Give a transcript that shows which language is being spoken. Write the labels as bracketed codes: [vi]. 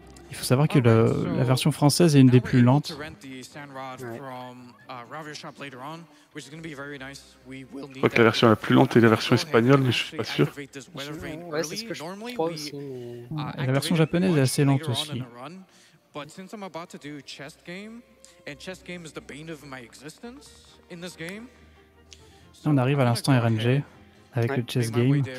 [fr] Il faut savoir que la version française est une des plus lentes. Je crois que la version la plus lente est la version espagnole, mais je suis pas sûr. Ouais, c'est ce que je crois aussi. Et la version japonaise est assez lente aussi. [en] But since I'm about to do chest game, and chest game is the bane of my existence in this game. [fr] So on arrive à l'instant RNG avec le chest game.